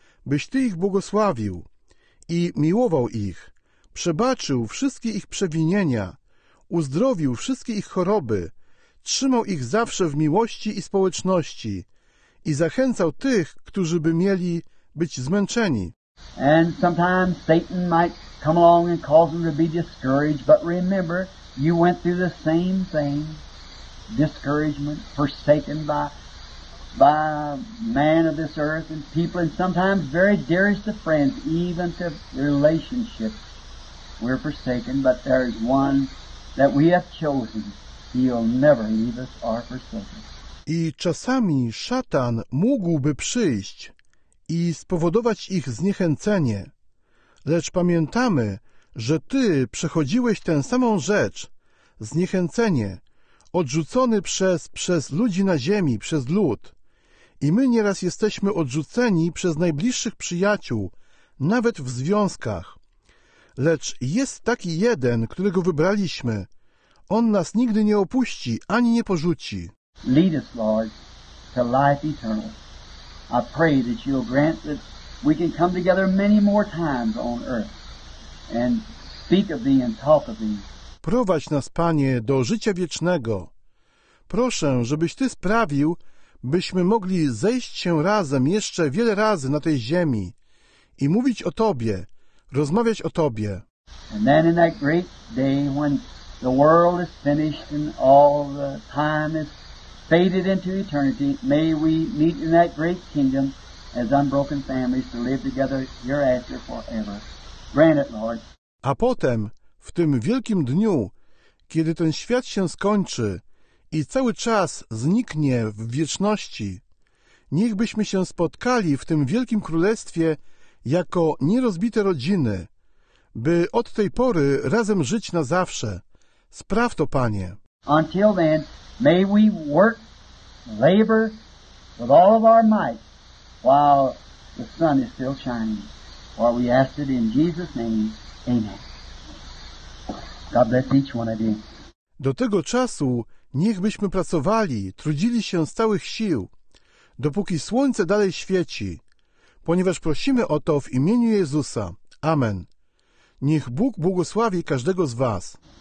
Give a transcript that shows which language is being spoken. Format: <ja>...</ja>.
<pl>byś Ty ich błogosławił i miłował ich, przebaczył wszystkie ich przewinienia, uzdrowił wszystkie ich choroby, trzymał ich zawsze w miłości i społeczności i zachęcał tych, którzy by mieli być zmęczeni.</pl> <en>And sometimes Satan might come along and cause them to be discouraged, but remember, you went through the same thing, discouragement, forsaken by man of this earth and people, and sometimes very dearest of friends, even to relationships, we're forsaken, but there is one that we have chosen. He'll never leave us or forsake us.</en> <pl>I czasami szatan mógłby przyjść i spowodować ich zniechęcenie, lecz pamiętamy, że Ty przechodziłeś tę samą rzecz, zniechęcenie, odrzucony przez ludzi na ziemi, przez lud. I my nieraz jesteśmy odrzuceni przez najbliższych przyjaciół, nawet w związkach. Lecz jest taki jeden, którego wybraliśmy. On nas nigdy nie opuści, ani nie porzuci.</pl> <en>Lead us, Lord, to life eternal. I pray that you'll grant that we can come together many more times on earth and speak of thee and talk of thee.</en> <pl>Prowadź nas, Panie, do życia wiecznego. Proszę, żebyś Ty sprawił, byśmy mogli zejść się razem jeszcze wiele razy na tej ziemi i mówić o Tobie, rozmawiać o Tobie.</pl> <en>And then in that great day when the world is finished and all the time is faded into eternity, may we meet in that great kingdom as unbroken families to live together hereafter forever. Grant it, Lord.</en> <pl>A potem, w tym wielkim dniu, kiedy ten świat się skończy i cały czas zniknie w wieczności, niech byśmy się spotkali w tym wielkim królestwie jako nierozbite rodziny, by od tej pory razem żyć na zawsze. Spraw to, Panie.</pl> <en>Until then, may we work, labor with all of our might while the sun is still shining. While we ask it in Jesus' name, amen. God bless each one of you.</en> <pl>Do tego czasu niechbyśmy pracowali, trudzili się z całych sił, dopóki słońce dalej świeci, ponieważ prosimy o to w imieniu Jezusa. Amen. Niech Bóg błogosławi każdego z Was.</pl>